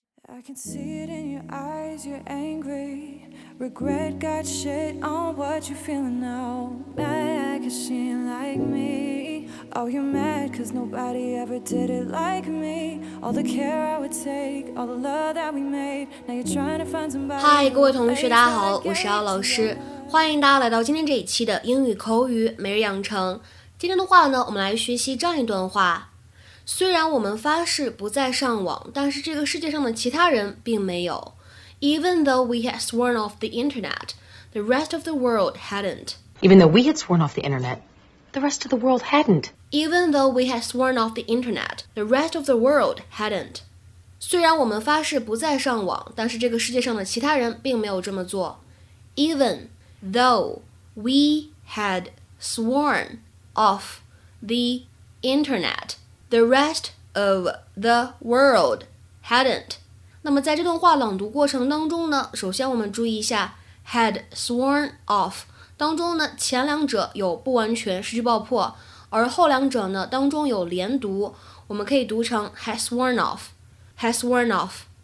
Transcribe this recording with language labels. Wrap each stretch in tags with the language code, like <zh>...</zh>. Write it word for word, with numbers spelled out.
<en>I can see it in your eyes, you're angry. Regret got shit on what you're feeling now. Mad 'cause she ain't like me. Oh, you're mad 'cause nobody ever did it like me. All the care I would take, all the love that we made. Now you're trying to find somebody.</en> <zh>嗨，各位同学，大家好，我是姚老师，欢迎大家来到今天这一期的英语口语每日养成。今天的话呢，我们来学习这样一段话。虽然我们发誓不再上网，但是这个世界上的其他人并没有。</zh> <en>Even though we had sworn off the internet, the rest of the world hadn't. Even though we had sworn off the internet, the rest of the world hadn't. Even though we had sworn off the internet, the rest of the world hadn't.</en> <zh>虽然我们发誓不再上网，但是这个世界上的其他人并没有这么做。 Even though we had sworn off the internet. The rest of the world hadn't. 那么在这段话朗读过程当中呢，首先我们注意一下</zh> <en>had sworn off</en> <zh>当中呢，前两者有不完全失去爆破，而后两者呢当中有连读，我们可以读成</zh> <en>has sworn off, has sworn off.</en>